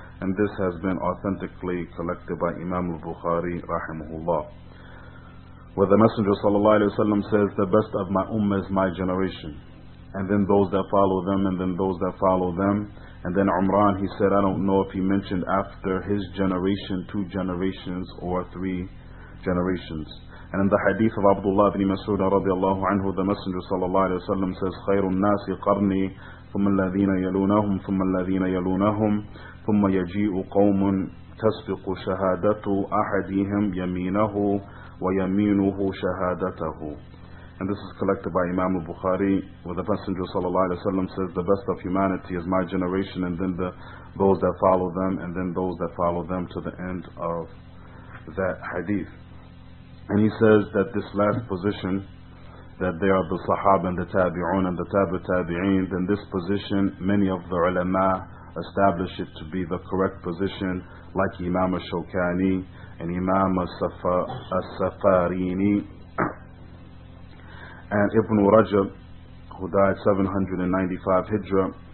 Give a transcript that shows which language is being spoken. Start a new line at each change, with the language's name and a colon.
English: And this has been authentically collected by Imam al-Bukhari rahimahullah, where the Messenger sallallahu alayhi wa sallam says, the best of my ummah is my generation, and then those that follow them, and then those that follow them. And then Umran, he said, I don't know if he mentioned after his generation, two generations or three generations. And in the hadith of Abdullah ibn Mas'ud radiallahu anhu, the Messenger sallallahu alayhi wa sallam says,
Arabic: خَيْرُ النَّاسِ قَرْنِي ثم الذين يلونهم ثم الذين يلونهم ثم يجيء قوم تسبق شهادة أحدهم يمينه ويمينه شهادته.
English: And this is collected by Imam al-Bukhari, where the Messenger sallallahu alayhi wa sallam says, the best of humanity is my generation, and then those that follow them, and then those that follow them to the end of that hadith. And he says that this last position, that they are the Sahab and the Tabi'un and the Tabi'in, then this position, many of the ulama establish it to be the correct position, like Imam al-Shawkani and Imam al-Safarini and Ibn Rajab, who died 795 Hijra.